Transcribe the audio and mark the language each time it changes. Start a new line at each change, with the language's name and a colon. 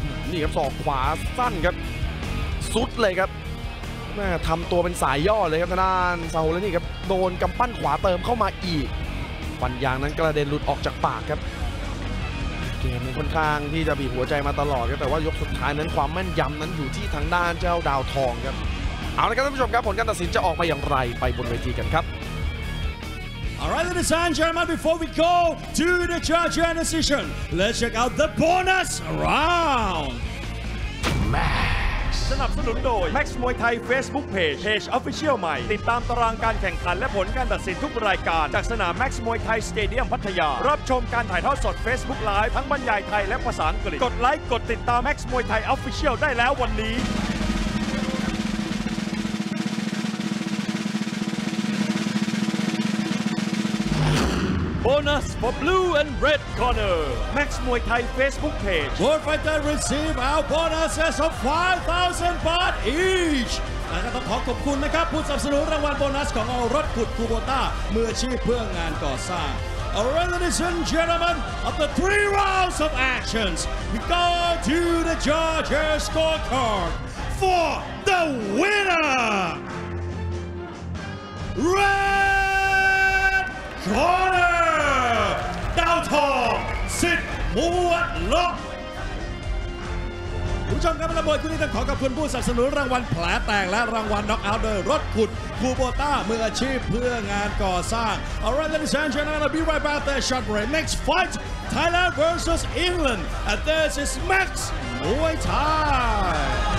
Thai: นี่ครับศอกขวาสั้นครับสุดเลยครับทำตัวเป็นสายย่อเลยครับทางด้านซาโฮแล้วนี่ครับโดนกำปั้นขวาเติมเข้ามาอีกฟันยางนั้นกระเด็นหลุดออกจากปากครับเกมค่อนข้างที่จะบีบหัวใจมาตลอดครับแต่ว่ายกสุดท้ายนั้นความแม่นยำนั้นอยู่ที่ทางด้านเจ้าดาวทองครับเอาละครับท่านผู้ชมครับผลการตัดสินจะออกมาอย่างไรไปบนเวทีกันครับ
English: Alright ladies and gentlemen before we go to the judge and decision let's check out the bonus round Man.
Thai: สนับสนุนโดย Max มวยไทย Facebook Page Page Official ใหม่ติดตามตารางการแข่งขันและผลการตัดสินทุกรายการจากสนาม Max มวยไทยสเตเดียมพัทยารับชมการถ่ายทอดสด Facebook Live ทั้งบรรยายไทยและภาษาอังกฤษกดไลค์กดติดตาม Max มวยไทย Official ได้แล้ววันนี้โบ
English: bonus for blue and red corner. Max Muay Thai Facebook page. World Fighter receive our bonuses of 5,000 baht each.
Thai: และก็ต้องขอขอบคุณนะครับผู้สนับสนุนรางวัลโบนัสของรถขุดคูโบต้ามืออาชีพเพื่องานก่อสร้าง
English: Alright ladies and gentlemen, after three rounds of actions, we go to the judges' scorecard for the winner, Red Corner,
Thai: ดาวทองสิทธิ์มวดล็อกคุณผู้ชมครับระเบิดคู่นี้ต้องขอขอบคุณผู้สนับสนุนรางวัลแผลแตกและรางวัลน็อกเอาท์โดยรถขุดคูโบต้ามืออาชีพเพื่องานก่อสร้าง
English: Alright ladies and gentlemen, I'll be right back there short break. Next fight, Thailand vs. England. And this is Max Muay Thai.